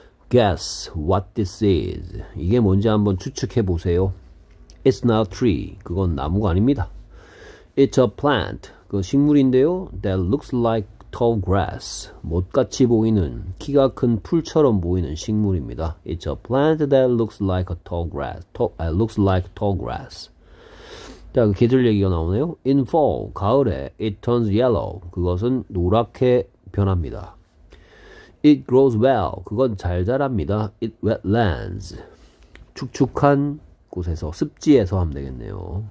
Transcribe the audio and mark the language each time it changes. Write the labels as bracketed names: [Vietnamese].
[English] Guess what this is. [Korean] 이게 뭔지 한번 추측해 보세요. [English] It's not a tree. [Korean] 그건 나무가 아닙니다. [English] It's a plant. [Korean] 그 식물인데요. [English] That looks like tall grass. [Korean] 못같이 보이는, 키가 큰 풀처럼 보이는 식물입니다. [English] It's a plant that looks like a tall grass. Looks like tall grass. [Korean] 자, 그 계절 얘기가 나오네요. [English] In fall, [Korean] 가을에, [English] it turns yellow. [Korean] 그것은 노랗게 변합니다. [English] It grows well. [Korean] 그건 잘 자랍니다. [English] It wetlands. [Korean] 축축한 곳에서, 습지에서 하면 되겠네요.